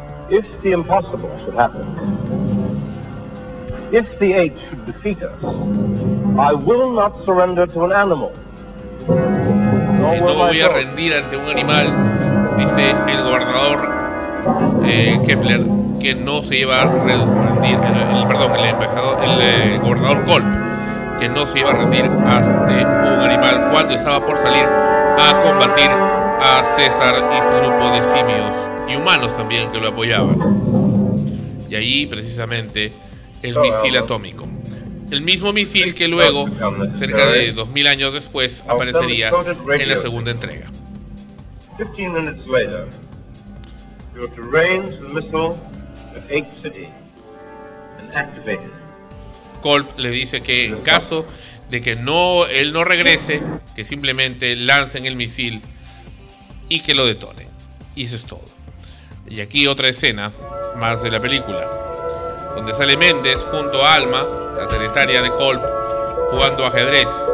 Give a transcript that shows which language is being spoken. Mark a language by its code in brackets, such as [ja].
[en] If the impossible should happen, if the ape should defeat us, I will not surrender to an animal. [es] No me voy a rendir ante un animal, dice el gobernador Kepler, que no se iba a rendir, el gobernador Kolb, que no se iba a rendir ante un animal cuando estaba por salir a combatir a César y su grupo de simios y humanos también que lo apoyaban. Y ahí precisamente el misil atómico. El mismo misil que luego, cerca de 2000 años después, aparecería en la segunda entrega. [en] 15 minutes later, you're to range the missile at 8 city and activate it. [es] Kolb le dice que en caso de que él no regrese, que simplemente lancen el misil y que lo detonen. Y eso es todo. Y aquí otra escena más de la película, donde sale Méndez junto a Alma, la secretaria de Kolb, jugando ajedrez.